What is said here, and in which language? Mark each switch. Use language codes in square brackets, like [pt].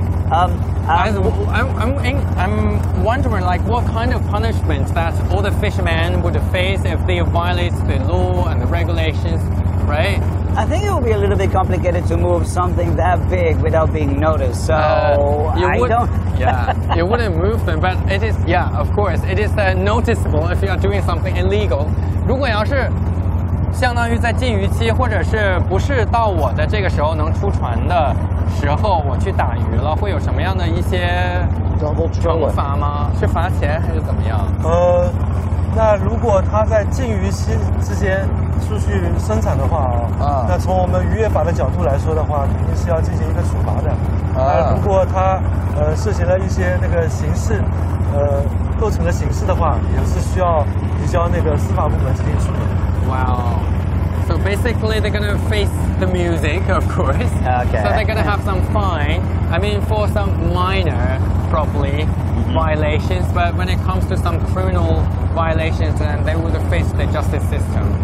[en] I'm wondering, like, what kind of punishment that all the fishermen would face if they violate the law and the regulations, right? I think it would be a little bit complicated to move something that big without being noticed, so you wouldn't move them, but it is, yeah, of course, it is noticeable if you are doing something illegal. [zh] 如果要是相当于在禁渔期或者是不是到我的这个时候能出船的时候我去打鱼了，会有什么样的一些惩罚吗？是罚钱还是怎么样？那如果他在禁渔期之间出去生产的话啊，那从我们渔业法的角度来说的话，肯定是要进行一个处罚的。那如果他涉及了一些那个刑事，构成了刑事的话，也是需要移交那个司法部门进行处理。 [en] Wow, so basically they're gonna face the music, of course. Okay. So they're gonna have some fine. I mean, for some minor, probably. Violations, but when it comes to some criminal violations, then they would face the justice system.